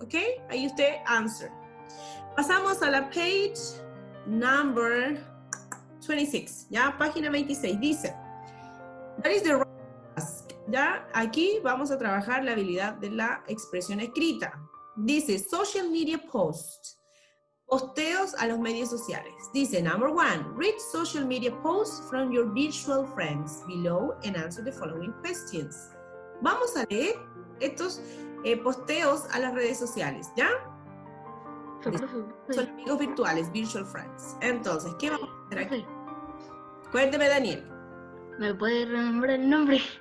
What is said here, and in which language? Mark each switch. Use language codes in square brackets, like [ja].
[es] ¿Ok? Ahí usted answer. Pasamos a la [en] page number 26, [es] ¿ya? Página 26, dice, [en] that is the right task, [es] ¿ya? Aquí vamos a trabajar la habilidad de la expresión escrita. Dice, [en] social media posts. [es] Posteos a los medios sociales. Dice, [en] number one, read social media posts from your virtual friends below and answer the following questions. [es] Vamos a leer estos posteos a las redes sociales, ¿ya? Son amigos virtuales, [en] virtual friends. [es] Entonces, ¿qué vamos a hacer aquí? Cuénteme, Daniel. ¿Me puede renombrar el nombre?